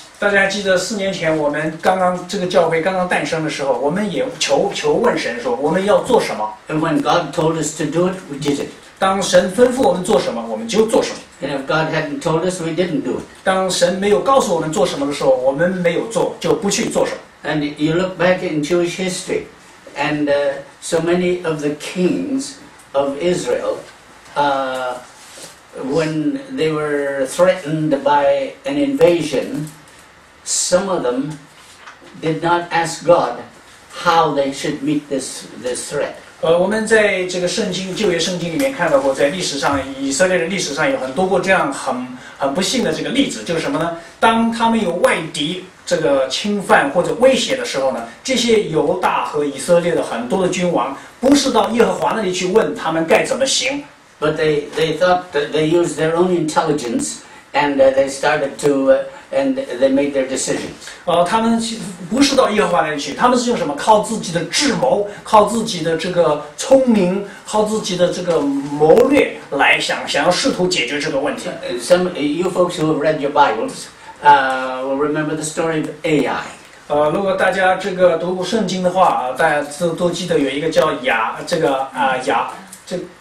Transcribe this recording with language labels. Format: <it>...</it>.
<zh>大家记得四年前我们刚刚这个教会刚刚诞生的时候，我们也求问神说我们要做什么。</zh> <en>And when God told us to do it, we did it.</en> <zh>当神吩咐我们做什么，我们就做什么。</zh> <en>And if God hadn't told us, we didn't do it.</en> <zh>当神没有告诉我们做什么的时候，我们没有做，就不去做什么。</zh> <en>And you look back in Jewish history, and so many of the kings of Israel, when they were threatened by an invasion, some of them did not ask God how they should meet this threat.</en> <zh>我们在这个圣经旧约圣经里面看到过，在历史上以色列的历史上有很多过这样很不幸的这个例子，就是什么呢？当他们有外敌这个侵犯或者威胁的时候呢，这些犹大和以色列的很多的君王不是到耶和华那里去问他们该怎么行。</zh> <en>But they thought that they used their own intelligence, and they started to and they made their decisions.</en> <zh>他们不是到耶和华那里去，他们是用什么？靠自己的智谋，靠自己的这个聪明，靠自己的这个谋略来想要试图解决这个问题。</zh> <en>Some you folks who have read your Bibles, will remember the story of Ai.</en> <zh>如果大家这个读过圣经的话，大家都记得有一个叫亚这个啊亚这。</zh>